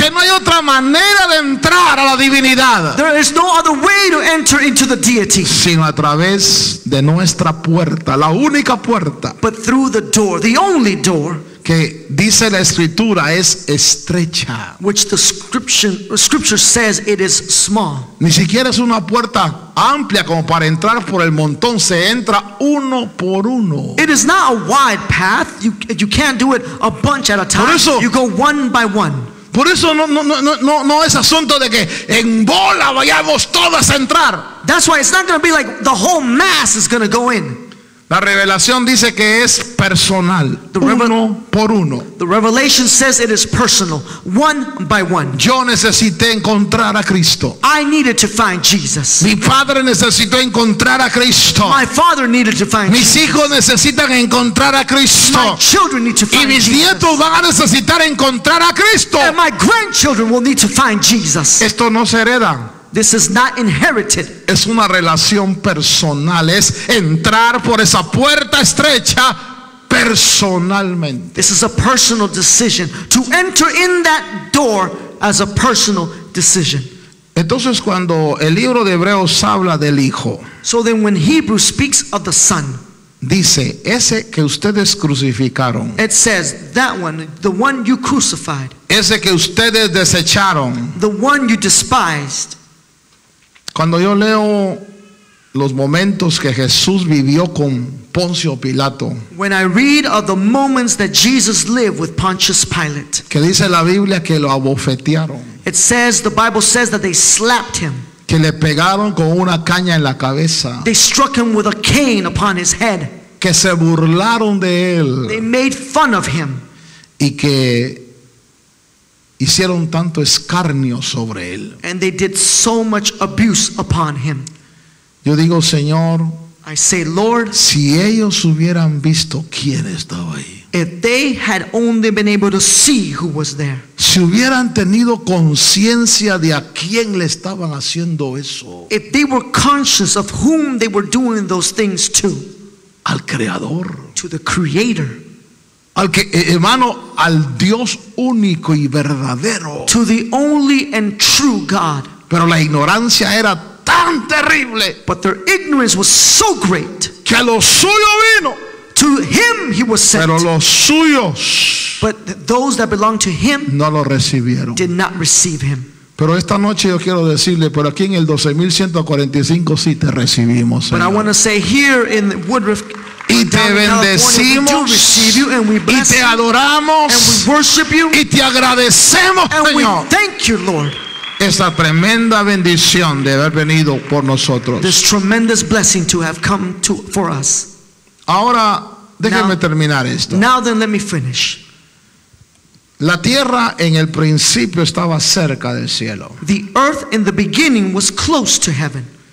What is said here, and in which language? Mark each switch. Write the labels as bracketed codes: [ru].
[es] Que no hay otra manera de entrar a la divinidad. [en] There is no other way to enter into the deity. [es] Sino a través de nuestra puerta, la única puerta. [en] But through the door, the only door. [es] Que dice la escritura es estrecha. [en] Which the scripture says it is small. [es] Ni siquiera es una puerta amplia como para entrar por el montón. Se entra uno por uno. [en] It is not a wide path. You can't do it a bunch at a time. [es] Por eso, [en] you go one by one. [es] Por eso no es asunto de que en bola vayamos todas a entrar. [en] That's why it's not going to be like the whole mass is going to go in. [es] La revelación dice que es personal, uno por uno. [en] The revelation says it is personal, one by one. [es] Yo necesité encontrar a Cristo. [en] I needed to find Jesus. [es] Mi padre necesitó encontrar a Cristo. [en] My father needed to find [es] Mis [en] Jesus. [es] Mis hijos necesitan encontrar a Cristo. [en] My children need to find Jesus. [es] Y mis nietos van a necesitar encontrar a Cristo. [en] And my grandchildren will need to find Jesus. [es] Esto no se hereda. [en] This is not inherited. [es] Es una relación personal. Es entrar por esa puerta estrecha personalmente. [en] This is a personal decision to enter in that door as a personal decision. [es] Entonces, cuando el libro de Hebreos habla del Hijo, [en] so then when Hebrews speaks of the Son, [es] dice ese que ustedes crucificaron. [en] It says that one, the one you crucified. [es] Ese que ustedes desecharon. [en] The one you despised. [es] Cuando yo leo los momentos que Jesús vivió con Poncio Pilato, [en] when I read of the moments that Jesus lived with Pontius Pilate, [es] que dice la Biblia que lo abofetearon, [en] it says, the Bible says that they slapped him, [es] que le pegaron con una caña en la cabeza, [en] they struck him with a cane upon his head, [es] que se burlaron de él, [en] they made fun of him, [es] y que hicieron tanto escarnio sobre él. [en] And they did so much abuse upon him. [es] Yo digo, Señor, [en] I say, Lord, [es] si ellos hubieran visto quién estaba ahí, [en] if they had only been able to see who was there, [es] si hubieran tenido conciencia de a quién le estaban haciendo eso, [en] if they were conscious of whom they were doing those things to, [es] al Creador, [en] to the Creator, [es] al que, hermano, al Dios único y verdadero, [en] to the only and true God. [es] Pero la ignorancia era tan terrible, [en] but their ignorance was so great, [es] que a lo suyo vino, [en] to him he was sent, [es] pero los suyos, [en] but those that belonged to him, [es] no lo recibieron, [en] did not receive him. [es] Pero esta noche yo quiero decirle, pero aquí en el 12145 sí te recibimos, Señor. [en] But I want to say here in Woodruff, [es] y te bendecimos, y te adoramos, y te agradecemos, Señor, esta tremenda bendición de haber venido por nosotros. [en] This tremendous blessing to have come to for us. [es] Ahora déjeme terminar esto. [en] Now then, let me finish. [es] La tierra en el principio estaba cerca del cielo. [en] The earth in the beginning was close to heaven.